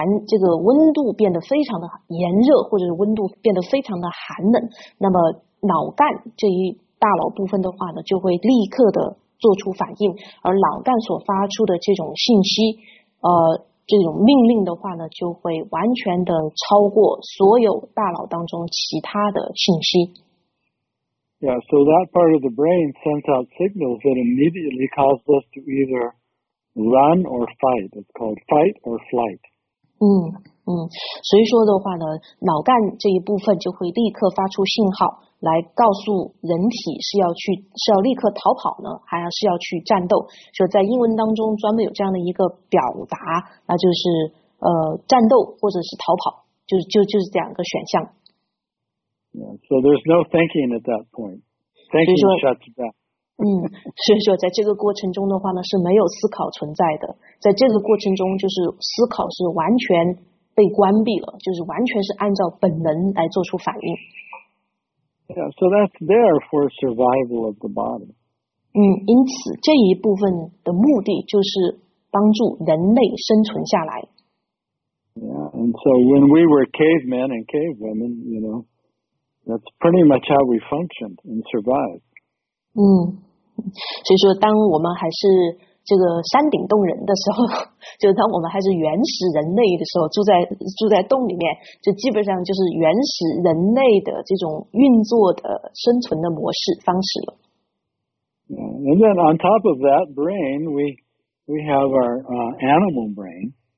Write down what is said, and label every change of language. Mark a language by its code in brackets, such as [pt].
[zh] 这个温度变得非常的炎热，或者是温度变得非常的寒冷，那么脑干这一大脑部分的话呢，就会立刻的做出反应，而脑干所发出的这种信息，这种命令的话呢，就会完全的超过所有大脑当中其他的信息。 [en] Yeah, so that part of the brain sends out signals that immediately cause us to either run or fight. It's called fight or flight. [zh] 所以说的话呢，脑干这一部分就会立刻发出信号，来告诉人体是要立刻逃跑呢，还是要去战斗。所以在英文当中专门有这样的一个表达，那就是战斗或者是逃跑，就是这样一个选项。 [en] So there's no thinking at that point. Thinking shuts down. [zh] 所以说在这个过程中的话呢，是没有思考存在的。在这个过程中，就是思考是完全被关闭了，就是完全是按照本能来做出反应。 [en] Yeah, so that's there for survival of the body. [zh] 因此这一部分的目的就是帮助人类生存下来。 [en] Yeah, and so when we were cavemen and cavewomen, you know, that's pretty much how we functioned and survived. [zh] 所以说当我们还是这个山顶洞人的时候，就当我们还是原始人类的时候，住在洞里面，就基本上就是原始人类的这种运作的生存的模式方式了。 [en] And then on top of that brain, we have our animal brain.